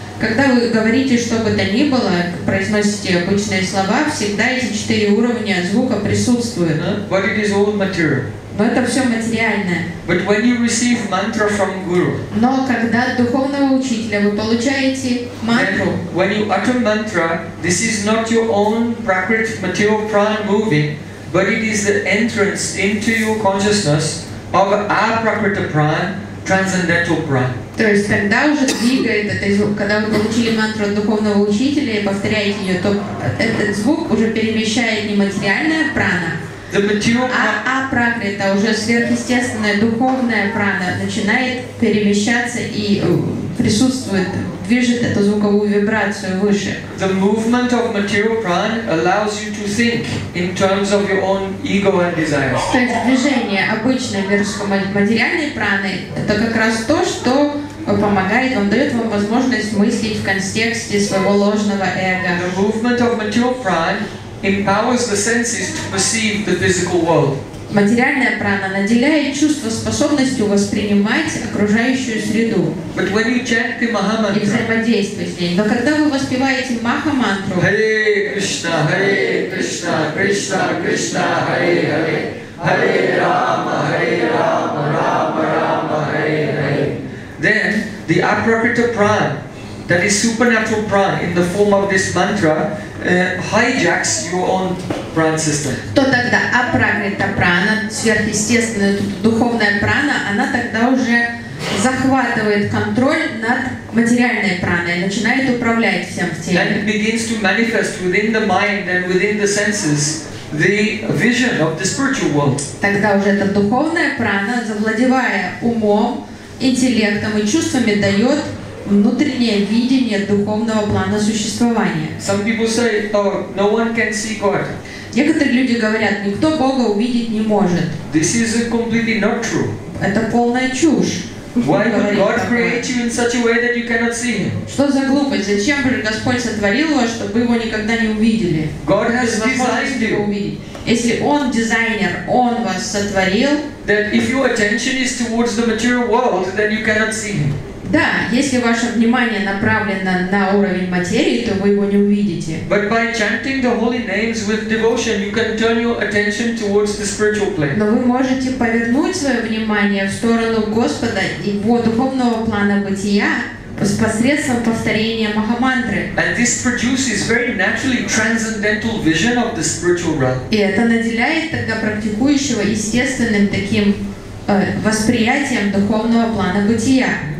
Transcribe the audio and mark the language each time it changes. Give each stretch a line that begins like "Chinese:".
Russian: Когда вы говорите, что бы то ни было, произносите обычные слова, всегда эти четыре уровня звука присутствуют.
English: But it is all material.
Russian: Но это все материальное.
English: But when you receive mantra from guru.
Russian: Но когда от духовного учителя вы получаете мантру.
English: When you utter mantra, this is not your own prakrit material prana moving, but it is the entrance into your consciousness of a prakrita prana. Transcendental prana.
Russian: То есть когда уже двигает этот звук, когда вы получили мантру от духовного учителя и повторяете ее, то этот звук уже перемещает не материальная прана, а пракрита, уже сверхъестественная духовная прана начинает перемещаться и присутствует, движет эту звуковую вибрацию выше.
English: The movement of material prana allows you to think in terms of your own ego and desires.
Russian: То есть движение обычной материальной праны это как раз то, что помогает, он дает вам возможность мыслить в контексте своего ложного эго.
English: The movement of material prana empowers the senses to perceive the physical world.
Russian: Материальная прана наделяет чувство способностью воспринимать окружающую среду.
English: But when you chant the Mahamantra,
Russian: и взаимодействовать с ней. Но когда вы воспеваете Махамантру,
English: Hare Krishna, Hare Krishna, Krishna Krishna, Hare Hare, Hare Rama, Hare Rama, Rama Rama, Hare Hare, then the Aprakrita prana, that is supernatural prana in the form of this mantra, hijacks your own prana system.
Russian: То тогда апракрита прана, сверхъестественная духовная прана, она тогда уже захватывает контроль над материальной праной, начинает управлять всем в теле.
English: And it begins to manifest within the mind and within the senses the vision of the spiritual world.
Russian: Тогда уже эта духовная прана, завладевая умом, интеллектом и чувствами, дает внутреннее видение духовного плана существования.
English: Some people say, oh, no one can see God.
Russian: Некоторые люди говорят, никто Бога увидеть не может.
English: This is completely not true.
Russian: Это полная чушь.
English: Why would God create you in such a way that you cannot see Him?
Russian: Что за глупость? Зачем же Господь сотворил вас, чтобы его никогда не увидели?
English: God has designed you.
Russian: Если Он дизайнер, Он вас сотворил.
English: That if your attention is towards the material world, then you cannot see Him.
Russian: Да, если ваше внимание направлено на уровень материи, то вы его не увидите.
English: But by chanting the holy names with devotion, you can turn your attention towards the spiritual plane.
Russian: Но вы можете повернуть свое внимание в сторону Господа и его духовного плана бытия посредством повторения Махамантры.
English: And this produces very naturally transcendental vision of the spiritual realm.
Russian: И это наделяет тогда практикующего естественным таким восприятием духовного плана бытия.